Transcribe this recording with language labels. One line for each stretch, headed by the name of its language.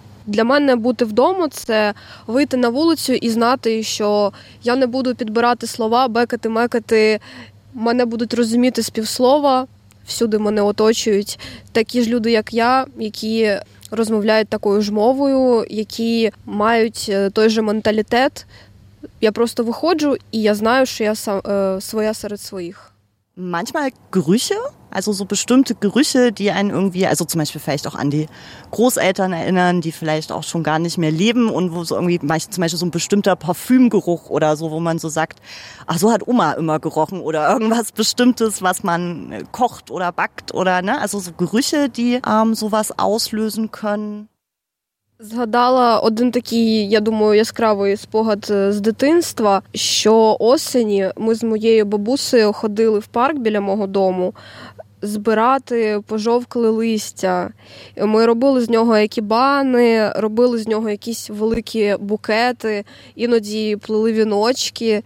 Ukrainian: Для мене бути вдома – це вийти на вулицю і знати, що я не буду підбирати слова, бекати-мекати, мене будуть розуміти з півслова, всюди мене оточують. Такі ж люди, як я, які розмовляють такою ж мовою, які мають той же менталітет. Я просто виходжу, і я знаю, що я своя серед своїх.
German: Manchmal Gerüche, also so bestimmte Gerüche, die einen irgendwie, also zum Beispiel vielleicht auch an die Großeltern erinnern, die vielleicht auch schon gar nicht mehr leben und wo so irgendwie zum Beispiel so ein bestimmter Parfümgeruch oder so, wo man so sagt, ach so hat Oma immer gerochen oder irgendwas Bestimmtes, was man kocht oder backt oder ne, also so Gerüche, die sowas auslösen können.
Ukrainian: Згадала один такий, я думаю, яскравий спогад з дитинства, що осені ми з моєю бабусею ходили в парк біля мого дому збирати пожовкле листя. Ми робили з нього екібани, робили з нього якісь великі букети, іноді плели віночки.